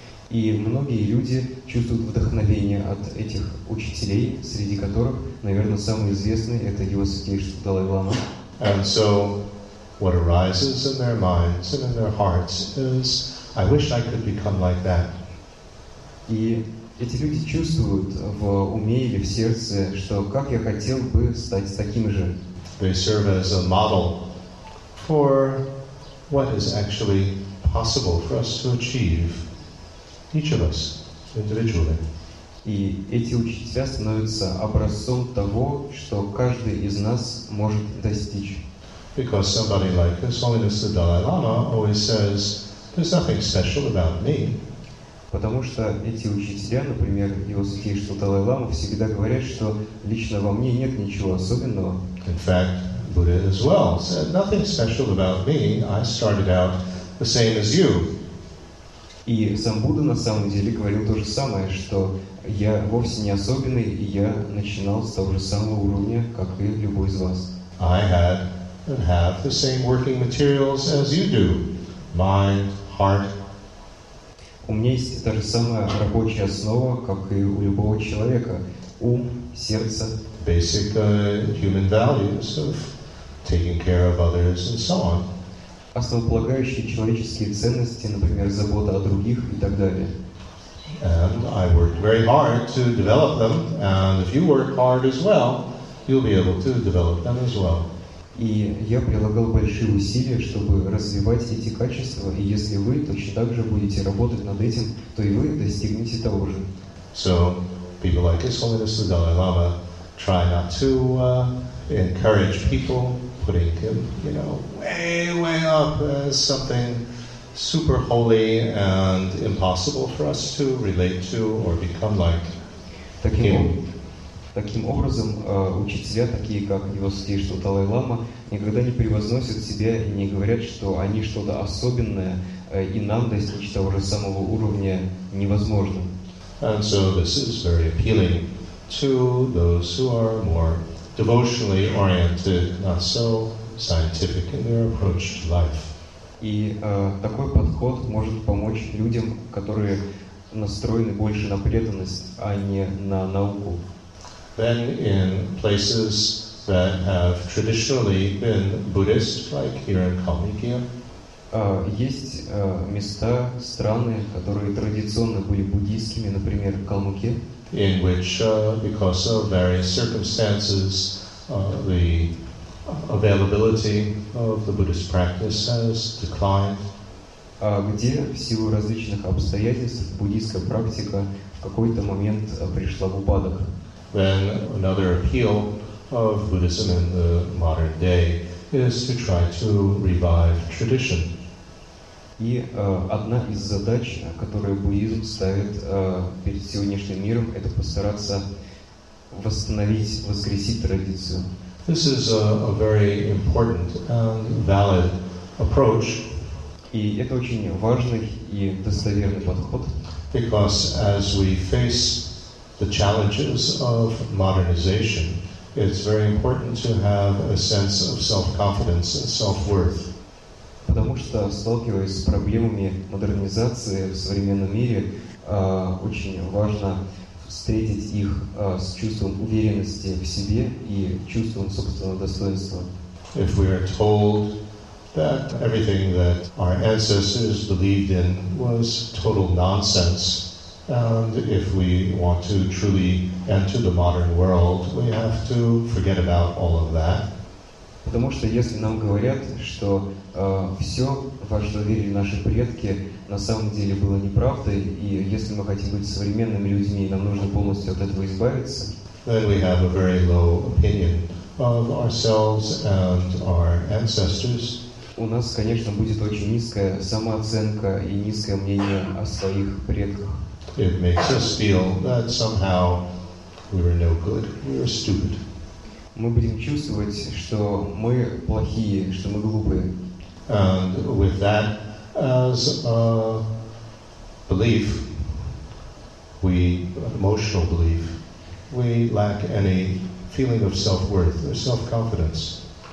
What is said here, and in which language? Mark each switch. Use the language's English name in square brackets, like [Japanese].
[Russian] И многие люди чувствуют вдохновение от этих учителей, среди которых, наверное, самый известный – это Его Святейшество Далай Лама. [English] And so what arises in their minds and in their hearts is, I wish I could become like that. [Russian] И эти люди чувствуют в уме или в сердце, что как я хотел бы стать таким же. [English] They serve as a model for what is actually possible for us to achieve, each of us, individually. [Russian] И эти учителя становятся образцом того, что каждый из нас может достичь. [English] Because somebody like His Holiness the Dalai Lama always says, there's nothing special about me. [Russian] Потому что эти учителя, например, Его Святейшество Далай Лама, всегда говорят, что лично во мне нет ничего особенного. [English] In fact, Buddha as well said, nothing special about me. I started out the same as you. [Russian] И сам Будда на самом деле говорил то же самое, что я вовсе не особенный, и я начинал с того же самого уровня, как и любой из вас. [English] I had and have the same working materials as you do. Mind, heart. [Russian] У меня есть та же самая рабочая основа, как и у любого человека. Ум, сердце. [English] Basic human values of taking care of others and so on. [Russian] Основополагающие человеческие ценности, например, забота о других и так далее. [English] And I worked very hard to develop them, and if you work hard as well, you'll be able to develop them as well. [Russian] И я прилагал большие усилия, чтобы развивать эти качества, и если вы точно так же будете работать над этим, то и вы достигнете того же. [English] So, people like His Holiness the Dalai Lama try not to encourage people, putting him, you know, way, way up as something super holy and impossible for us to relate to or become like. [Russian] Таким образом, учителя, такие как Его Святейшество Далай Лама, никогда не превозносят себя и не говорят, что они что-то особенное, и нам достичь того же самого уровня невозможно. [English] And so this is very appealing to those who are more devotionally oriented, not so scientific in their approach to life. [Russian] И такой подход может помочь людям, которые настроены больше на преданность, а не на науку. [English] than in places that have traditionally been Buddhist, like here in Kalmykia. [Russian] Есть места, страны, которые традиционно были буддийскими, например, Калмыкия. [English] In which, because of various circumstances, the availability of the Buddhist practice has declined. [Russian] Где в силу различных обстоятельств буддийская практика в какой-то момент пришла в упадок. [English] Then another appeal of Buddhism in the modern day is to try to revive tradition. [Russian] И одна из задач, которую буддизм ставит перед сегодняшним миром, это постараться восстановить, воскресить традицию. [English] This is a very important and valid approach. [Russian] И это очень важный и достоверный подход. [English] Because as we face the challenges of modernization, it's very important to have a sense of self-confidence and self-worth. [Russian] Потому что, сталкиваясь с проблемами модернизации в современном мире, очень важно встретить их с чувством уверенности в себе и чувством собственного достоинства. [English] If we are told that everything that our ancestors believed in was total nonsense, and if we want to truly enter the modern world, we have to forget about all of that. [Russian] Потому что если нам говорят, что все, во что верили наши предки, на самом деле было неправдой, и если мы хотим быть современными людьми, нам нужно полностью от этого избавиться, [English] then we have a very low opinion of ourselves and our ancestors. [Russian] У нас, конечно, будет очень низкая самооценка и низкое мнение о своих предках. [English] It makes us feel that somehow we were no good, we were stupid. [Russian] Мы будем чувствовать, что мы плохие, что мы глупые. [English] And with that as a belief, we, emotional belief, we lack any feeling of self-worth or self-confidence.